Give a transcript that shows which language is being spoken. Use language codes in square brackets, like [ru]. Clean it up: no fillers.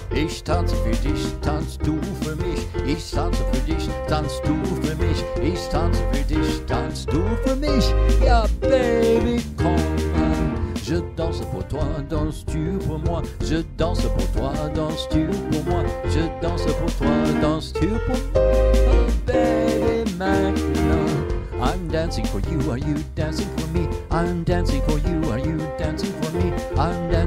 [de] Ich tanze für dich, tanzt du für mich. Ich tanze für dich, tanzt du für mich. Ich tanze für dich, tanzt du für mich. Ja, baby, komm an. [fr] Je danse pour toi, danses-tu pour moi. Je danse pour toi, danses-tu pour moi. Je danse pour toi, danses-tu pour moi. Oh, baby, maintenant. [en] I'm dancing for you, are you dancing for me? I'm dancing for you, are you dancing for me? I'm